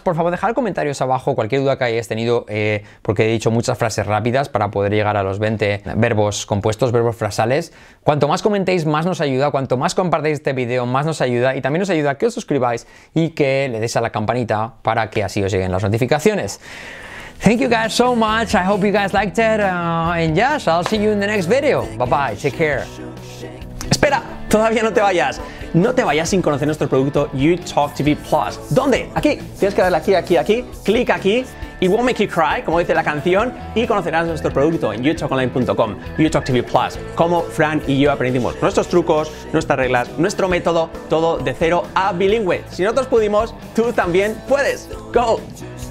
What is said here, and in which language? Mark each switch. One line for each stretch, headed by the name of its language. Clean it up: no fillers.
Spanish: Por favor, dejar comentarios abajo cualquier duda que hayas tenido porque he dicho muchas frases rápidas para poder llegar a los 20 verbos compuestos, verbos frasales. Cuanto más comentéis, más nos ayuda. Cuanto más compartáis este video, más nos ayuda. Y también nos ayuda que os suscribáis y que le deis a la campanita para que así os lleguen las notificaciones.
English: Thank you guys so much. I hope you guys liked it. And yes, I'll see you in the next video. Bye bye. Take care.
Spanish: Espera, todavía no te vayas. No te vayas sin conocer nuestro producto YouTalk TV Plus. ¿Dónde? Aquí. Tienes que darle aquí, aquí, aquí. Clic aquí.
English: It won't make you cry,
Spanish: como dice la canción. Y conocerás nuestro producto en youtalkonline.com. YouTalk TV Plus. Como Fran y yo aprendimos nuestros trucos, nuestras reglas, nuestro método, todo de cero a bilingüe. Si nosotros pudimos, tú también puedes. Go.